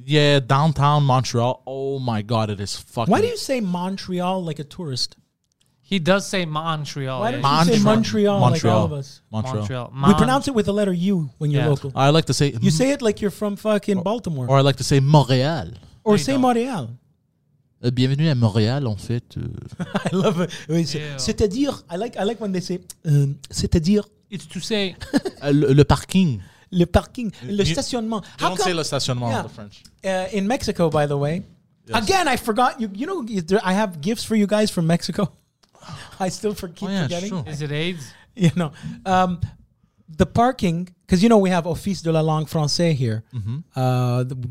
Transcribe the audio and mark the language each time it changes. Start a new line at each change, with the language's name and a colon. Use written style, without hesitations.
English: Yeah, downtown Montreal. Oh my God, it is fucking... Why do you say Montreal like a tourist? He does say Montreal. Why do you say Montreal like all of us? Montreal. We pronounce it with the letter U when you're local. I like to say... You say it like you're from fucking Baltimore. Or I like to say Montreal. Or say Montreal.
French: Bienvenue à Montréal, en fait.
English: I love it.
French: Oui, c'est-à-dire...
English: I like when they say...
French: c'est-à-dire...
English: It's to say...
French: le parking... Le parking, le stationnement.
English: You don't say le stationnement in the French. In Mexico, by the way. Yes. Again, I forgot. You know, I have gifts for you guys from Mexico. I still forgetting. Sure. Is it AIDS? You know. The parking, because you know we have Office de la Langue Française here. Mm-hmm.